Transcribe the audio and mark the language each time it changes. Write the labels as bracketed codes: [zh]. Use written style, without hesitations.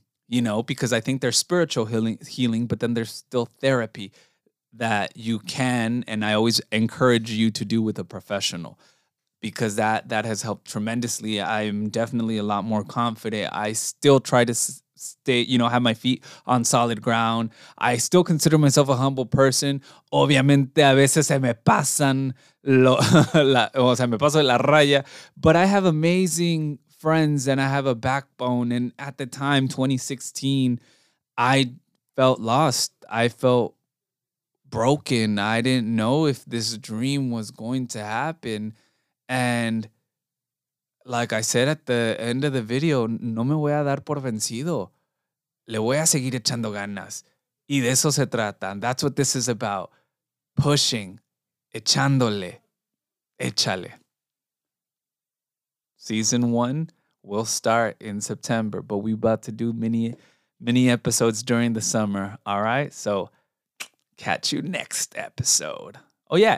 [en] you know, because I think there's spiritual healing, but then there's still therapy that you can, and I always encourage you to do with a professional, because that has helped tremendously. I'm definitely a lot more confident. I still try to stay, you know, have my feet on solid ground. I still consider myself a humble person. [es] Obviamente, a veces se me pasan me paso la raya. [en] But I have amazing friends and I have a backbone. And at the time, 2016, I felt lost. I felt broken. I didn't know if this dream was going to happen. And like I said at the end of the video, [es] no me voy a dar por vencido. Le voy a seguir echando ganas. Y de eso se trata. [en] And that's what this is about. Pushing. [es] Echándole. Échale. [en] Season one will start in September, but we're about to do many, many episodes during the summer. All right? So catch you next episode. Oh, yeah.